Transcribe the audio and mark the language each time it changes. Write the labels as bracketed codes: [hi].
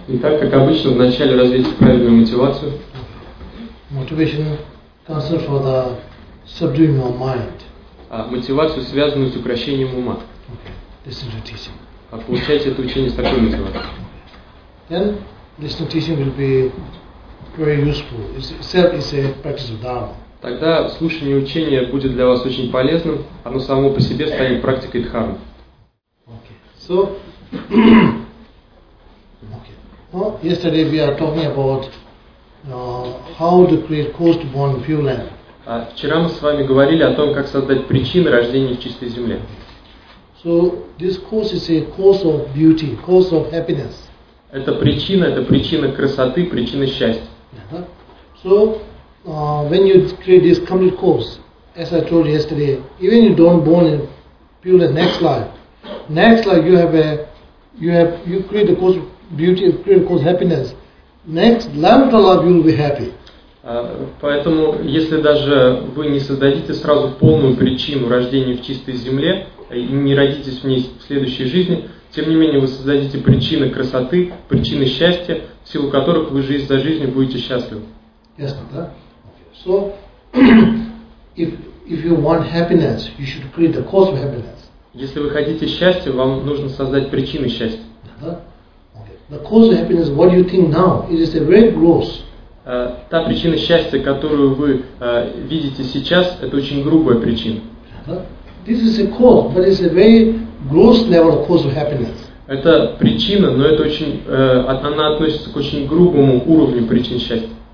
[ru] Итак, как обычно, вначале развейте правильную мотивацию. [en] Motivation concerned for the subduing of mind. [ru] Мотивацию, связанную с укрощением ума. [en] Listen to teaching. [ru] Получайте это учение с такой мотивацией. [en] Then, listen to teaching will be very useful. Itself is a practice of Dharma. [ru] Тогда слушание учения будет для вас очень полезным. Оно само по себе станет практикой Дхармы. [en] Okay. So, yesterday we are talking about how to create cause to born pure land. [ru] Вчера мы с вами говорили о том, как создать причины рождения в чистой земле. [en] So this cause is a cause of beauty, cause of happiness. [ru] Это причина красоты, причина счастья. [en] So when you create this complete cause, as I told yesterday, even you don't born in pure land next life you have a You create the cause of beauty, create the cause of happiness. Next, lifetime life you will be happy. [ru] Поэтому, если даже вы не создадите сразу полную причину рождения в чистой земле и не родитесь в ней в следующей жизни, тем не менее вы создадите причины красоты, причины счастья, в силу которых вы жизнь за жизнью будете счастливы. Ясно, да? [en] So, if you want happiness, you should create the cause of happiness. [ru] Если вы хотите счастья, вам нужно создать причины счастья. [en] The cause of happiness, what you think now, it is a very gross. [ru] Та причина счастья, которую вы видите сейчас, это очень грубая причина. [en] This is a cause, but it's a very gross level of cause of happiness. [ru] Это причина, но это очень, она относится к очень грубому уровню причин счастья.